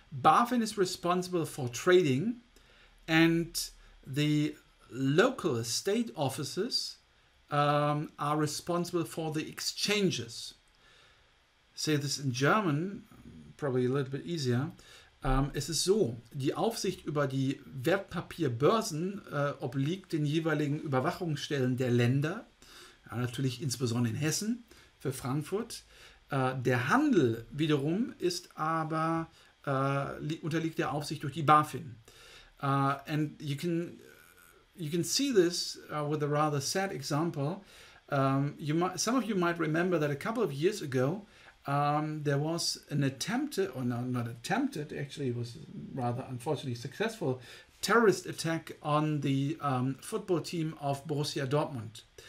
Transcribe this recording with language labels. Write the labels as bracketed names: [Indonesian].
[English] BaFin is responsible for trading, and the local state offices are responsible for the exchanges. Say this in German, probably a little bit easier. [German] Es ist so, die Aufsicht über die Wertpapierbörsen obliegt den jeweiligen Überwachungsstellen der Länder, ja, natürlich insbesondere in Hessen, für Frankfurt. Der Handel wiederum ist aber unterliegt der Aufsicht durch die BaFin. [English] And you can see this with a rather sad example. Some of you might remember that a couple of years ago there was an attempted, or no, not attempted, actually it was rather unfortunately successful, terrorist attack on the football team of Borussia Dortmund.